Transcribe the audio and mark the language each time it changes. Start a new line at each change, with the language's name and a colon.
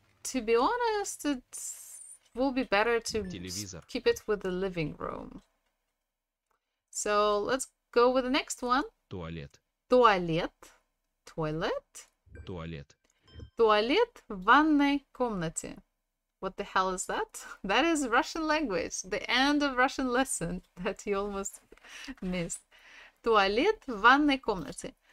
English: To be honest, it will be better to
Russian: Телевизор.
English: Keep it with the living room. So, let's go with the next one.
Russian: Туалет. Туалет. Туалет. Туалет. Туалет в ванной комнате.
English: What the hell is that? That is Russian language. The end of Russian lesson that you almost missed.
Russian: Туалет в ванной комнате.